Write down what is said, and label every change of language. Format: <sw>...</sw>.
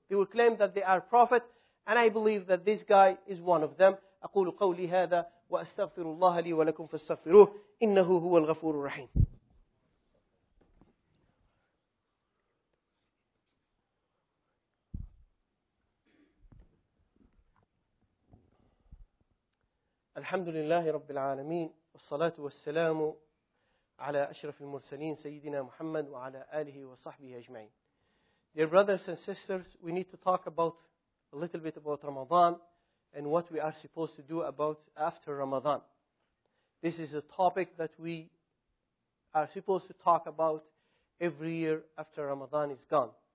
<en>They will claim that they are prophet, and I believe that this guy is one of them.</en> <ar>أقول قولي هذا وأستغفر الله لي ولكم فاستغفروه إنه هو الغفور الرحيم. الحمد لله رب العالمين والصلاة والسلام على أشرف المرسلين سيدنا محمد وعلى آله وصحبه أجمعين.</ar> <en>Dear brothers and sisters, we need to talk about a little bit about Ramadan and what we are supposed to do about after Ramadan. This is a topic that we are supposed to talk about every year after Ramadan is gone.</en>